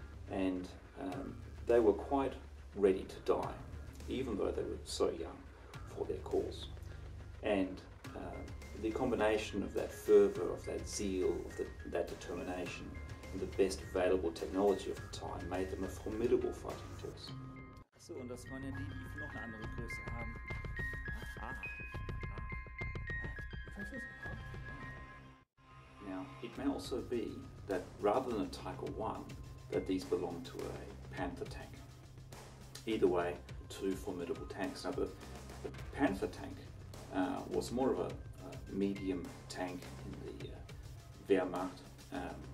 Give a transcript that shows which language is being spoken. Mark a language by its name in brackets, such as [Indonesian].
[English] And they were quite ready to die, even though they were so young, for their cause. And the combination of that fervor, of that zeal, of that determination, the best available technology of the time made them a formidable fighting force. [German] So, und das waren ja die, die noch eine andere Größe haben. [English] Now, it may also be that rather than a Tiger 1, that these belong to a Panther tank. Either way, two formidable tanks. Now, the Panther tank was more of a medium tank in the Wehrmacht.